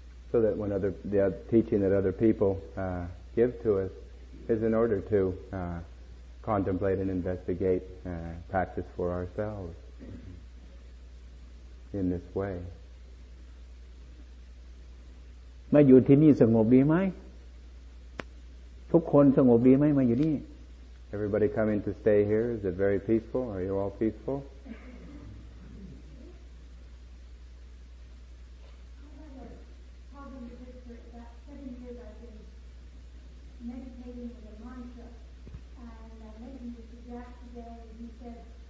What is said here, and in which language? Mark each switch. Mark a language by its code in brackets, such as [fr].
[en] so that when the teaching that other people give to us is in order to contemplate and investigate practice for ourselves in this way [th] มาอยู่ที่นี่สงบดีไหมทุกคนสงบดีไหมมาอยู่นี่ [en] Everybody coming to stay here, is it very peaceful? Are you all peaceful? I have a problem with this for about 7 years. I've been meditating with a mantra, and I met him with Jack today, and he said,